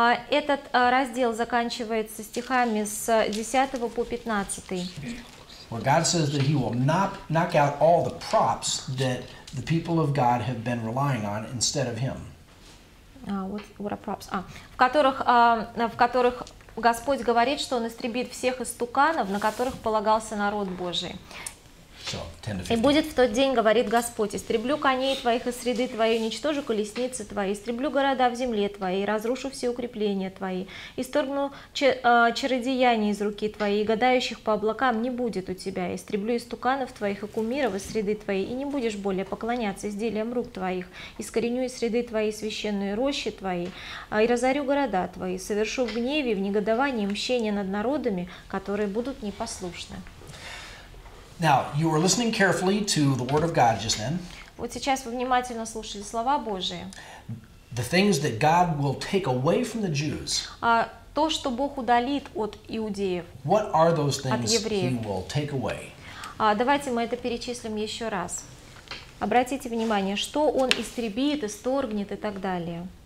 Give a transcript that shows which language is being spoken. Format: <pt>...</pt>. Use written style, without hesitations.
<ru>Этот раздел заканчивается стихами с 10 по 15.</ru> <en>Where God says that He will knock out all the props that the people of God have been relying on instead of Him. What are props?</en> <ru>В которых Господь говорит, что Он истребит всех истуканов, на которых полагался народ Божий. И будет в тот день, говорит Господь, истреблю коней твоих из среды твоей, уничтожу колесницы твои, истреблю города в земле твоей, разрушу все укрепления твои, исторгну чародеяния из руки твоей, гадающих по облакам не будет у тебя, истреблю истуканов твоих и кумиров из среды твоей, и не будешь более поклоняться изделиям рук твоих, искореню из среды твоей священные рощи твои, и разорю города твои, совершу в гневе, в негодовании мщение над народами, которые будут непослушны.</ru> <en>Now, you were listening carefully to the Word of God just then.</en> <ru>Вот сейчас вы внимательно слушали слова Божии.</ru> <en>The things that God will take away from the Jews.</en> <ru>То, что Бог удалит от иудеев.</ru> <en>What are those things He will take away?</en> <ru>Давайте мы это перечислим еще раз. Обратите внимание, что Он истребит, исторгнет и так далее.</ru>